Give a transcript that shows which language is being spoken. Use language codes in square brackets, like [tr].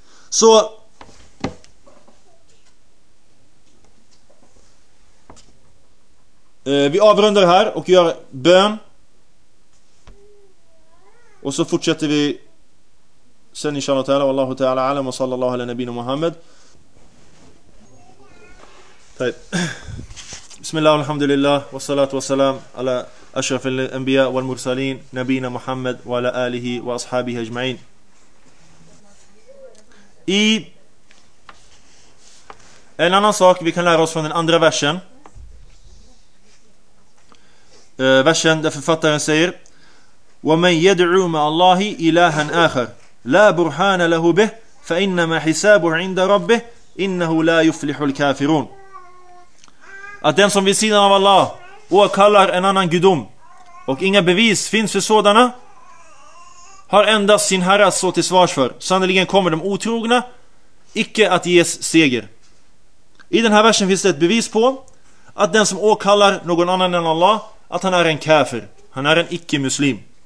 [sv] Så vi avrundar här och gör bön, och så fortsätter vi sen [ar] inshallah ta'ala. Wallahu ta'ala alam, wa sallallahu ala nabina Muhammad. طيب بسم الله والحمد لله والصلاة والسلام على أشرف الأنبياء والمرسلين نبينا محمد وعلى آله وأصحابه أجمعين. [sv] I en annan sak vi kan lära oss från den andra versen, versen där författaren säger: [ar] ومن يدعو مع الله إلها آخر لا برهان له به فإنما حسابه عند ربه إنه لا يفلح الكافرون. [sv] Att den som vid sidan av Allah åkallar en annan gudom och inga bevis finns för sådana, har endast sin herre att stå till svars för. Sannoliken kommer de otrogna icke att ges seger. I den här versen finns det ett bevis på att den som åkallar någon annan än Allah, att han är en kafir, han är en icke-muslim.